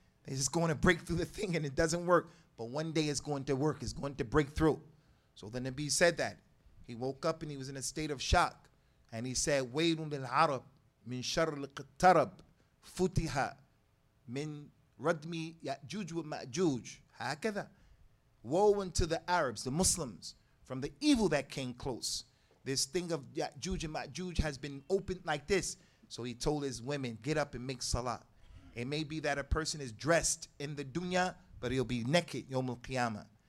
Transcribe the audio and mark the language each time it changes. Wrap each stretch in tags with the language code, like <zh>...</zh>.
<en>They're just going to break through the thing, and it doesn't work. But one day it's going to work, it's going to break through. So the Nabi said that. He woke up and he was in a state of shock.</en> <ar>And he said, وَيْلٌ لِلْعَرَبِ مِنْ شَرُ الْقِتَرَبِ فُتِحَ مِنْ رَدْمِ يَأْجُوجُ وَمَأْجُوجُ هَكَذَا.</ar> <en>Woe unto the Arabs, the Muslims, from the evil that came close. This thing of Ya'juj and Ma'juj has been opened like this. So he told his women, get up and make salah. It may be that a person is dressed in the dunya, but he'll be naked, Yawm al-Qiyamah.</en>